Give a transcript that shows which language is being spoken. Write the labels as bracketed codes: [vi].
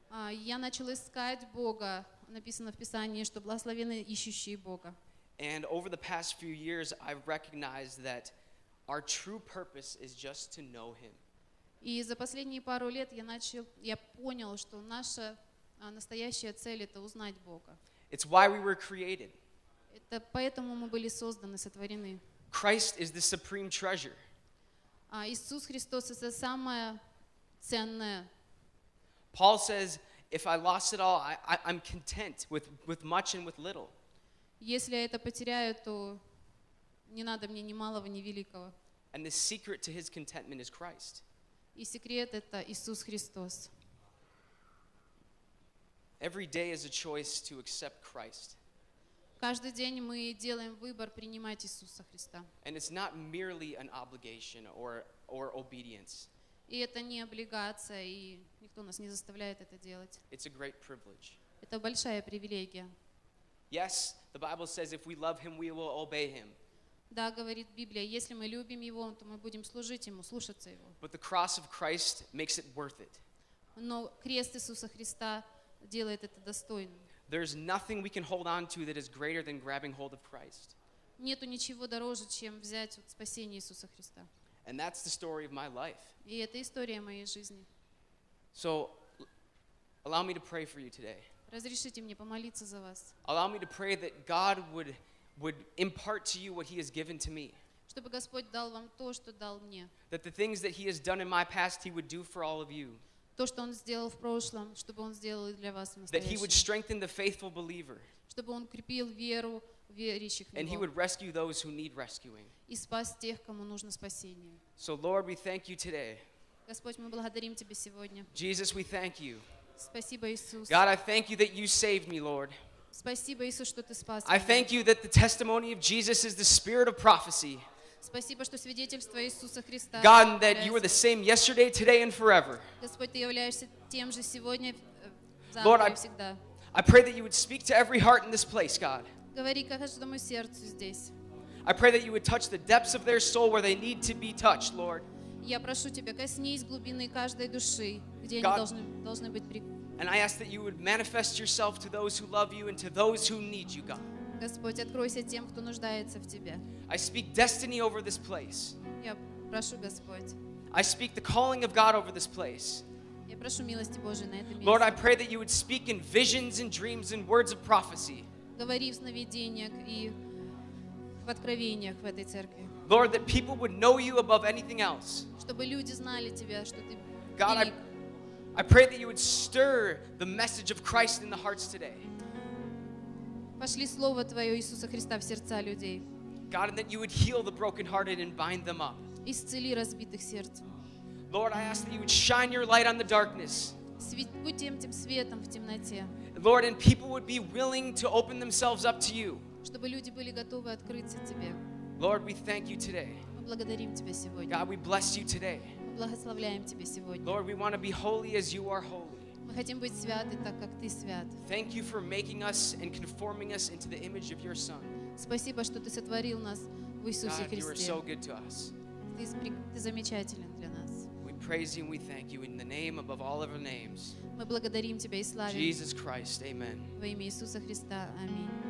[ru] Я начал искать Бога. Написано в Писании, что благословены ищущие Бога. [en] And over the past few years, I've recognized that our true purpose is just to know him. [ru] И за последние пару лет я понял, что наша настоящая цель — это узнать Бога. [en] It's why we were created. [ru] Это поэтому мы были созданы, сотворены. [en] Christ is the supreme treasure. [ru] Иисус Христос — это самое ценное. [en] Paul says, if I lost it all, I'm content with much and with little. [ru] Если я это потеряю, то не надо мне ни малого, ни великого. [en] And the secret to his contentment is Christ. [ru] И секрет — это Иисус Христос. [en] Every day is a choice to accept Christ. [ru] Каждый день мы делаем выбор принимать Иисуса Христа. [en] And it's not merely an obligation or obedience. [ru] И это не облигация, и никто нас не заставляет это делать. [en] It's a great privilege. [ru] Это большая привилегия. [en] Yes, the Bible says if we love him, we will obey him. [ru] Да, говорит Библия, если мы любим его, то мы будем служить ему, слушаться его. [en] But the cross of Christ makes it worth it. [ru] Но крест Иисуса Христа делает это достойным. [en] There's nothing we can hold on to that is greater than grabbing hold of Christ. [ru] Нету ничего дороже, чем взять спасение Иисуса Христа. [en] And that's the story of my life. [ru] И это история моей жизни. [en] So, allow me to pray for you today. [ru] Разрешите мне помолиться за вас. [en] Allow me to pray that God would impart to you what he has given to me. [ru] Чтобы Господь дал вам то, что дал мне. [en] That the things that he has done in my past, he would do for all of you. [ru] То, что он сделал в прошлом, чтобы он сделал и для вас в настоящем. [en] That he would strengthen the faithful believer. [ru] Чтобы он укрепил веру верующих в него. [en] And he would rescue those who need rescuing. [ru] И спас тех, кому нужно спасение. [en] So Lord, we thank you today. [ru] Господь, мы благодарим тебя сегодня. [en] Jesus, we thank you. [ru] Спасибо, Иисус. [en] God, I thank you that you saved me, Lord. [ru] Спасибо, Иисус, что ты спас меня. [en] I thank you that the testimony of Jesus is the spirit of prophecy. [ru] Спасибо, что свидетельство Иисуса Христа. [en] God, that you are the same yesterday, today, and forever. [ru] Господь, ты являешься тем же сегодня, [en] Lord, [ru] и всегда. [en] I pray that you would speak to every heart in this place, God. [ru] Говори каждому сердцу здесь. [en] I pray that you would touch the depths of their soul where they need to be touched, Lord. [ru] Я прошу тебя, коснись глубины каждой души, где они должны быть прикованы. [en] And I ask that you would manifest yourself to those who love you and to those who need you, God. [ru] Господь, откройся тем, кто нуждается в тебе. [en] I speak destiny over this place. [ru] Я прошу, Господь. [en] I speak the calling of God over this place. [ru] Я прошу милости Божьей на этом месте. [en] Lord, I pray that you would speak in visions and dreams and words of prophecy. [ru] Говори в сновидениях и в откровениях в этой церкви. [en] Lord, that people would know you above anything else. [ru] Чтобы люди знали тебя, что ты [en] God, I pray that you would stir the message of Christ in the hearts today. [ru] Пошли слово твое Иисуса Христа в сердца людей. [en] God, and that you would heal the brokenhearted and bind them up. [ru] Исцели разбитых сердец. [en] Lord, I ask that you would shine your light on the darkness. [ru] Будь тем светом в темноте. [en] Lord, and people would be willing to open themselves up to you. [ru] Чтобы люди были готовы открыться тебе. [en] Lord, we thank you today. [ru] Мы благодарим тебя сегодня. [en] God, we bless you today. [ru] Мы благословляем тебя сегодня. [en] Lord, we want to be holy as you are holy. [ru] Мы хотим быть святы, так как ты свят. [en] Thank you for making us and conforming us into the image of your Son. [ru] Спасибо, что ты сотворил нас в Иисусе Христе. [en] God, you are so good to us. [ru] Ты замечателен для нас. [en] We praise you and we thank you in the name above all other names. [ru] Мы благодарим тебя и славим. [en] Jesus Christ, amen. [ru] Во имя Иисуса Христа, аминь.